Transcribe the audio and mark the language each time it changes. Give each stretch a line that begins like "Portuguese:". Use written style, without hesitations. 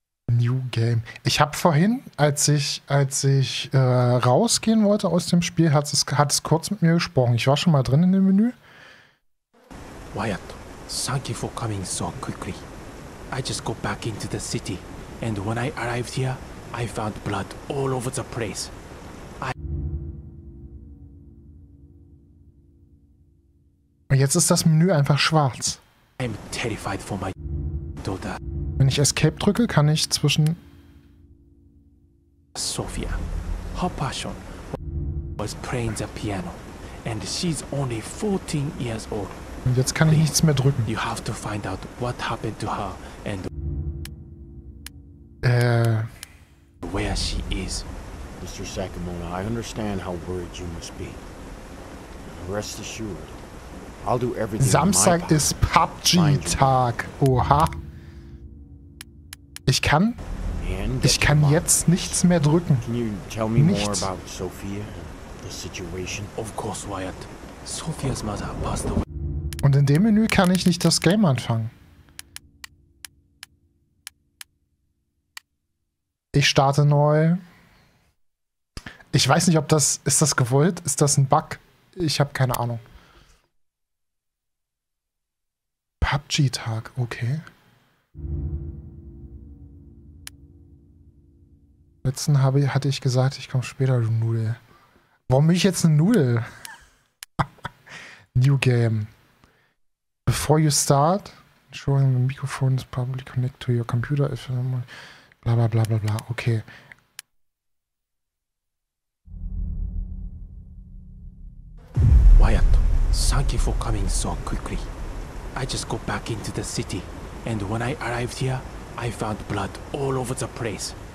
German: New Game. Ich habe vorhin, als ich rausgehen wollte aus dem Spiel, hat es kurz mit mir gesprochen. Ich war schon mal drin in dem Menü.
English: Wyatt, thank you for coming so quickly. I just got back into the city, and when I arrived here, I found blood all over the place.
German: Und jetzt ist das Menü einfach schwarz.
English: I'm terrified for my daughter.
German: Wenn ich Escape drücke, kann ich zwischen
English: Sophia, her passion was playing the piano, and she's only 14 years old.
German: Und jetzt kann ich nichts mehr drücken.
English: You have to find out what happened to her and where she is. Mr. Sakamoto, I understand how worried you must be. Rest assured, I'll do everything.
German: Samstag ist PUBG-Tag. Oha. Ich kann jetzt nichts mehr drücken.
English: Can you tell me more about Sophia, the situation? Of course, Wyatt. Sophia's mother passed away.
German: Und in dem Menü kann ich nicht das Game anfangen. Ich starte neu. Ich weiß nicht, ob das... Ist das gewollt? Ist das ein Bug? Ich habe keine Ahnung. PUBG-Tag, okay. Letzten hatte ich gesagt, ich komme später, du Nudel. Warum bin ich jetzt eine Nudel?
English: New Game. Before you start, ensuring the microphone is properly connected to your computer. If bla bla bla bla bla. Okay. Wyatt, thank you for coming so quickly. I just got back into the city, and when I arrived here, I found blood all over the place.